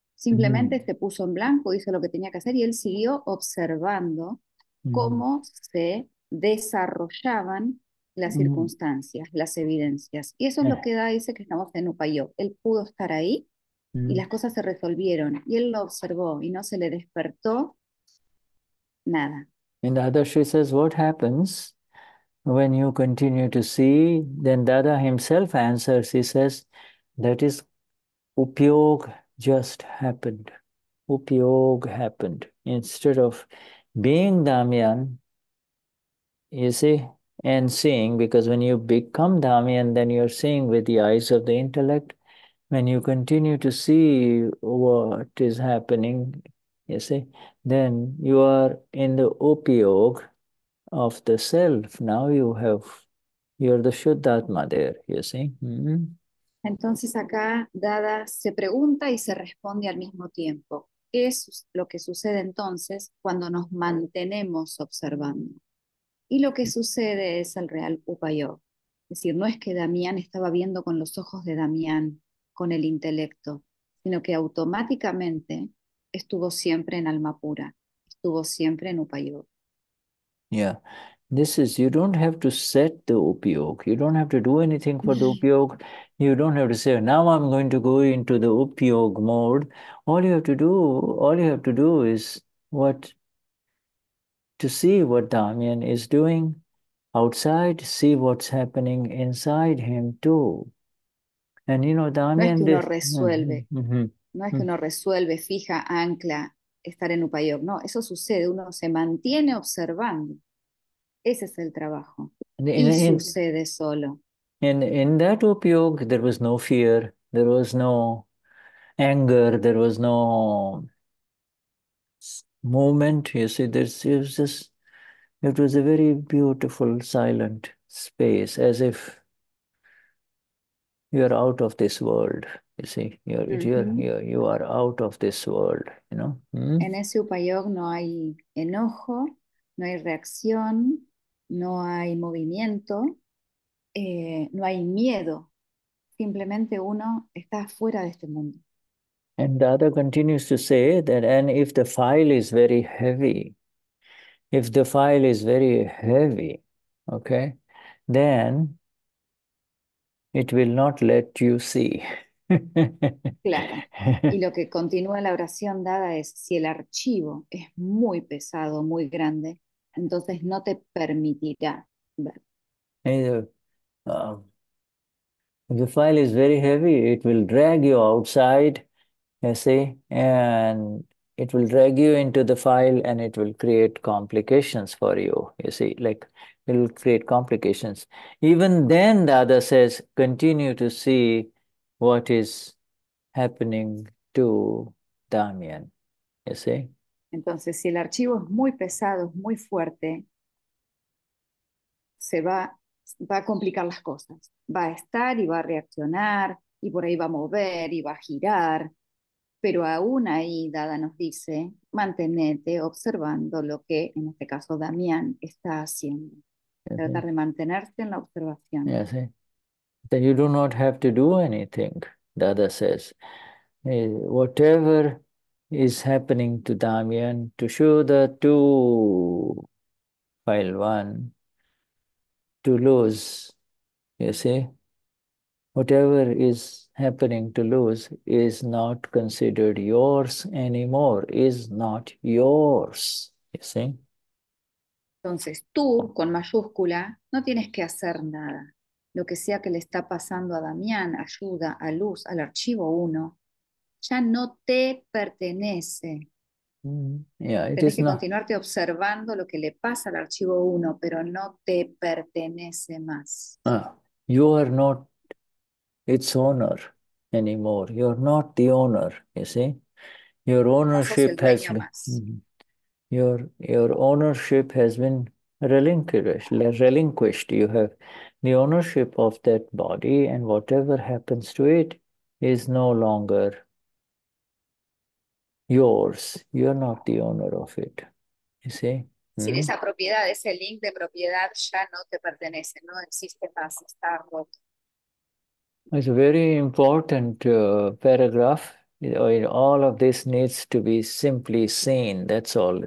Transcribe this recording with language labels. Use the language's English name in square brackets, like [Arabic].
[Spanish] Simplemente mm-hmm. se puso en blanco, hizo lo que tenía que hacer y él siguió observando cómo mm-hmm. se desarrollaban las mm-hmm. circunstancias, las evidencias. Y eso es lo que dice que estamos en Upayo. Él pudo estar ahí mm-hmm. y las cosas se resolvieron. Y él lo observó y no se le despertó nada. [English] And Dada, she says, what happens when you continue to see? Then Dada himself answers, he says, that is Upayog just happened. Upayog happened. Instead of being Damian, you see, and seeing, because when you become Damian, then you're seeing with the eyes of the intellect. When you continue to see what is happening, you see, then you are in the upayog of the self. Now you have, you're the Shuddhatma there, you see. Mm-hmm. [Spanish] Entonces acá Dada se pregunta y se responde al mismo tiempo. ¿Qué es lo que sucede entonces cuando nos mantenemos observando? Y lo que sucede es el real upayo. Es decir, no es que Damián estaba viendo con los ojos de Damián, con el intelecto, sino que automáticamente estuvo siempre en alma pura, estuvo siempre en upayo. Yeah. [English] This is, you don't have to set the upayog. You don't have to do anything for the upayog. You don't have to say, now I'm going to go into the upayog mode. All you have to do, all you have to do is what, to see what Damian is doing outside, see what's happening inside him too. And you know, Damian... [Spanish] No es que uno resuelve. Mm-hmm. No es que uno resuelve, fija, ancla, estar en upayog. No, eso sucede. Uno se mantiene observando. Ese es el trabajo. Y sucede solo. [English] In that upayog, there was no fear, there was no anger, there was no movement. You see, there's, it was just, it was a very beautiful, silent space, as if you're out of this world. You see, you're, mm-hmm. you're, you are out of this world, you know. Mm-hmm. [Spanish] En ese upayog no hay enojo, no hay reacción, no hay movimiento, no hay miedo. Simplemente uno está fuera de este mundo. [English] And Dada continues to say that, and if the file is very heavy, if the file is very heavy, okay, then it will not let you see. [Spanish] Claro. Y lo que continúa la oración Dada es, si el archivo es muy pesado, muy grande, entonces no te permitirá ver. [English] If the file is very heavy, it will drag you outside, you see, and it will drag you into the file and it will create complications for you, you see, like it will create complications. Even then, the other says, continue to see what is happening to Damian, you see. [Spanish] Entonces, si el archivo es muy pesado, es muy fuerte, se va a complicar las cosas. Va a estar y va a reaccionar, y por ahí va a mover y va a girar. Pero aún ahí, Dada nos dice, mantenete observando lo que, en este caso, Damián está haciendo. Tratar de mantenerte en la observación. [English] Yeah, see. You do not have to do anything, Dada says. Whatever is happening to Damian, to Shuddha, to file one, to lose, you see, whatever is happening to lose is not considered yours anymore, is not yours, you see. [Spanish] Entonces tú, con mayúscula, no tienes que hacer nada. Lo que sea que le está pasando a Damian, ayuda, a luz, al archivo uno, ya no te pertenece. Tienes que continuarte observando lo que le pasa al archivo 1, pero no te pertenece más. [English] You are not its owner anymore. You're not the owner, you see? Your ownership [Spanish] no sos el dueño [English] has been, [Spanish] más. [English] Your ownership has been relinquished. You have the ownership of that body, and whatever happens to it is no longer yours. You are not the owner of it. You see? [Spanish] Sin esa propiedad, ese link de propiedad ya no te pertenece, no existe más, está roto. [English] It's a very important paragraph. All of this needs to be simply seen. That's all.